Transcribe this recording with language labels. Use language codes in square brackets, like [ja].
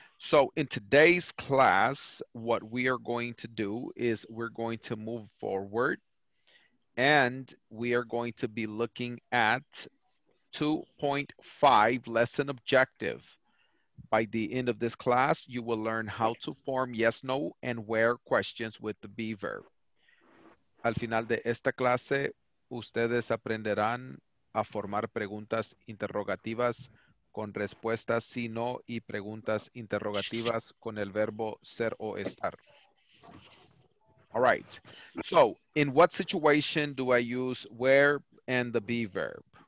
[en] So in today's class, what we are going to do is we're going to move forward and we are going to be looking at 2.5 lesson objective. By the end of this class, you will learn how to form yes, no, and where questions with the be verb. [es] Al final de esta clase, ustedes aprenderán a formar preguntas interrogativas con respuestas sí, no y preguntas interrogativas con el verbo ser o estar. [en] All right. So, in what situation do I use where and the be verb?